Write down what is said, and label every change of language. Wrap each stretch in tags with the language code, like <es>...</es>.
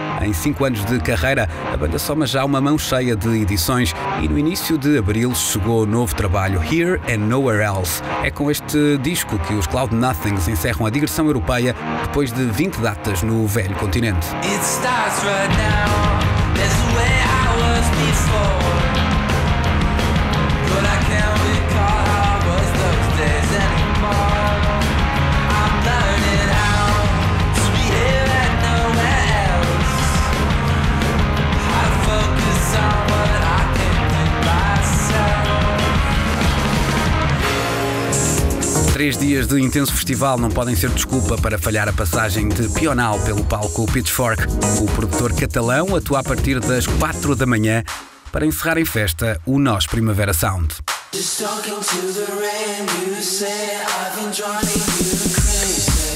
<pt>Em 5 anos de carreira, a banda soma já uma mão cheia de edições e no início de abril chegou o novo trabalho Here and Nowhere Else. É com este disco que os Cloud Nothings encerram a digressão europeia depois de 20 datas no velho continente.</pt> <en>It starts right now. That's the way I was before. But I can't recall how it was those days anymore. I'm learning how to be here and nowhere else. I focus on what I can do myself.</en> <pt>Três dias de intenso festival não podem ser desculpa para falhar a passagem de Pional pelo palco Pitchfork. O produtor catalão atua a partir das 4 da manhã para encerrar em festa o Nós Primavera Sound.</pt> <en>Just talking to the rain, you say I've been driving you crazy.</en>